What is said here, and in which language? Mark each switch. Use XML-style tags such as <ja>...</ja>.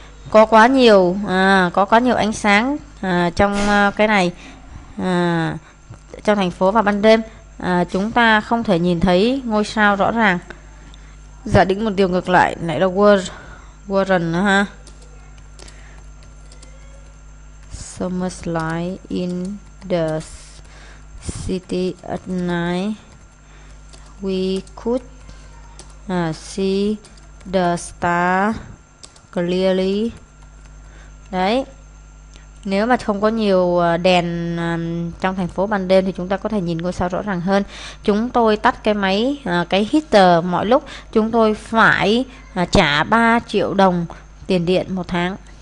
<vi>Có quá nhiều ánh sáng trong cái này trong thành phố vào ban đêm, chúng ta không thể nhìn thấy ngôi sao rõ ràng. Giả định một điều ngược lại, lại là weren't nữa ha.</vi> <en>So much light in the city at night, we could see the star clearly.</en> <vi>Đấy, nếu mà không có nhiều đèn trong thành phố ban đêm thì chúng ta có thể nhìn ngôi sao rõ ràng hơn. Chúng tôi tắt cái máy, cái heater mọi lúc. Chúng tôi phải trả 3 triệu đồng tiền điện một tháng.</vi>